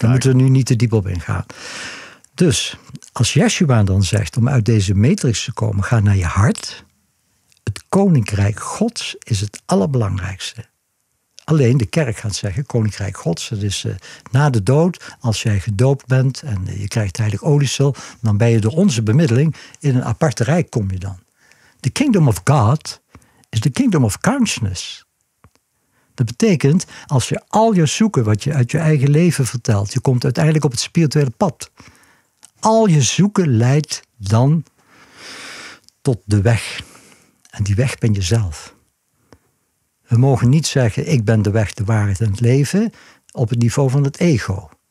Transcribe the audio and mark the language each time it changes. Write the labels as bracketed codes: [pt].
[nl] Daar moeten we nu niet te diep op ingaan. Dus, als Yeshua dan zegt om uit deze matrix te komen, ga naar je hart. Het koninkrijk gods is het allerbelangrijkste. Alleen de kerk gaat zeggen, koninkrijk gods, dat is na de dood, als jij gedoopt bent en je krijgt heilig oliesel, dan ben je door onze bemiddeling in een aparte rijk kom je dan. [en] The kingdom of God is the kingdom of consciousness. [nl] Dat betekent, als je al je zoeken wat je uit je eigen leven vertelt, je komt uiteindelijk op het spirituele pad. Al je zoeken leidt dan tot de weg. En die weg ben jezelf. We mogen niet zeggen, ik ben de weg, de waarheid en het leven, op het niveau van het ego.